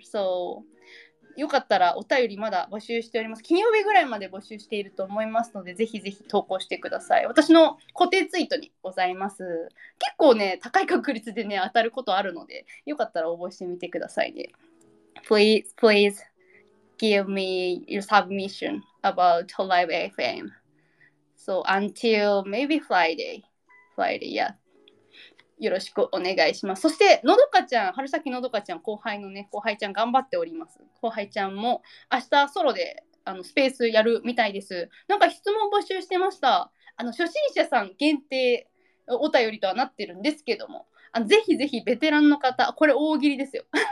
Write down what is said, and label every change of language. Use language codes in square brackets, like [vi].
[ja] So, よかったらお便りまだ募集しております。金曜日ぐらいまで募集していると思いますので、ぜひぜひ投稿してください。私の固定ツイートにございます。結構ね、高い確率でね、当たることあるので、よかったら応募してみてくださいね。 [en] Please, please give me your submission about Live FM. So, until maybe Friday, yeah. [ja] よろしくお願いします。そしてのどかちゃん、春先のどかちゃん、後輩のね、後輩ちゃん頑張っております。後輩ちゃんも明日ソロであのスペースやるみたいです。なんか質問募集してました。あの初心者さん限定お便りとはなってるんですけども、あのぜひぜひベテランの方、これ大喜利ですよ